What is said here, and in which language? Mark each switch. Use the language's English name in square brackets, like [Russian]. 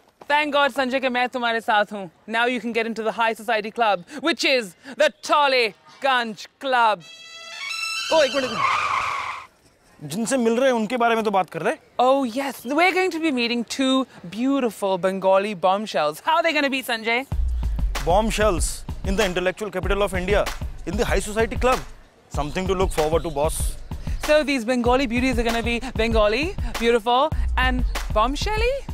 [English] thank God, [Hindi] Sanjay, के मैं तुम्हारे साथ हूँ. [English] Now you can get into the high society club, which is the Tolly Ganj Club. [Hindi] Oh, ek minute. जिनसे मिल रहे हैं उनके बारे में तो बात कर रहे हैं। [English] Oh yes, we're going to be meeting two beautiful Bengali bombshells. How are they going to be, Sanjay? Bombshells in the intellectual capital of India, in the high society club. Something to look forward to, boss. So these Bengali beauties are going to be Bengali, beautiful and bombshelly?